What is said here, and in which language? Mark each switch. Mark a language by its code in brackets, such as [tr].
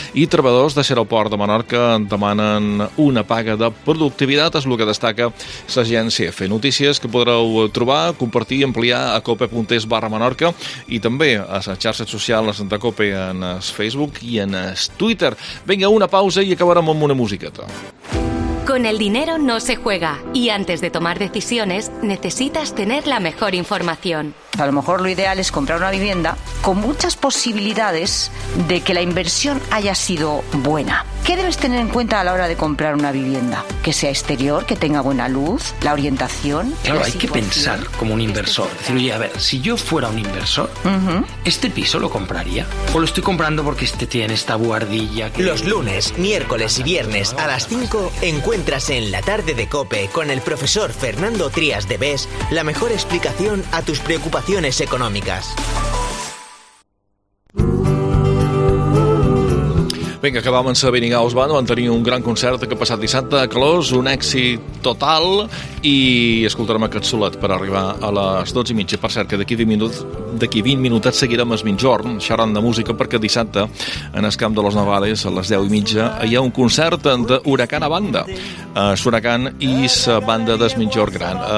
[ca] I treballadors de l'aeroport de Menorca demanen una paga de productivitat, és el que destaca l'Agència EFE. Notícies que podreu trobar, compartir i ampliar a cope.es/Menorca i també a les xarxes socials de COPE en el Facebook i en el Twitter. Vinga, una pausa i acabarem amb una musiqueta. [es] Con el dinero no se juega y antes de tomar decisiones necesitas tener la mejor información. A lo mejor lo ideal es comprar una vivienda con muchas posibilidades de que la inversión haya sido buena. ¿Qué debes tener en cuenta a la hora de comprar una vivienda? Que sea exterior, que tenga buena luz, la orientación. Claro, hay que pensar como un inversor. Decir, oye, a ver, si yo fuera un inversor, ¿este piso lo compraría? ¿O lo estoy comprando porque este tiene esta buhardilla? Los lunes, miércoles y viernes a las 5, encuentras en La Tarde de COPE con el profesor Fernando Trías de Bes la mejor explicación a tus preocupaciones económicas. [ca] Vinga, acabam amb Sabine Gauss Band, van tenir un gran concert que ha passat dissabte a Clos, un èxit total, i escoltarem aquest solet per arribar a les 12:30. Per cert, que d'aquí 20 minuts seguirem el migjorn, xerrant de música, perquè dissabte, en el Camp de les Navales, a les 10:30, hi ha un concert d'Huracán a banda, Huracán i la banda del migjorn gran.